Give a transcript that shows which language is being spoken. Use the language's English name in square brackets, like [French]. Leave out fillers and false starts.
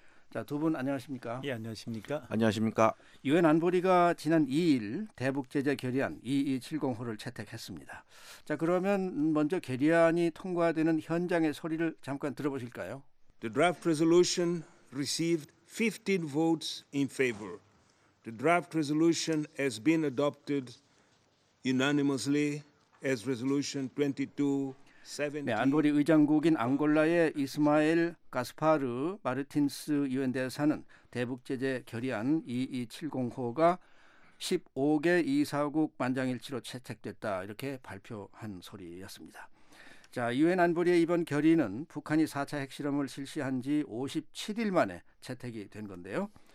[Korean] 자, 두 분 안녕하십니까? 예, 안녕하십니까? 안녕하십니까? 유엔 안보리가 지난 2일 대북 제재 결의안 2270호를 채택했습니다. 자, 그러면 먼저 결의안이 통과되는 현장의 소리를 잠깐 들어보실까요? [English] The draft resolution received 15 votes in favor. The draft resolution has been adopted unanimously as resolution 22-17. [Korean] 네, 안보리 의장국인 앙골라의 이스마엘 가스파르 마르틴스 유엔 대사는 대북 제재 결의안 2270호가 15개 이사국 만장일치로 채택됐다 이렇게 발표한 소리였습니다. 자, 유엔 안보리의 이번 결의는 북한이 4차 핵실험을 실시한 지 57일 만에 채택이 된 건데요.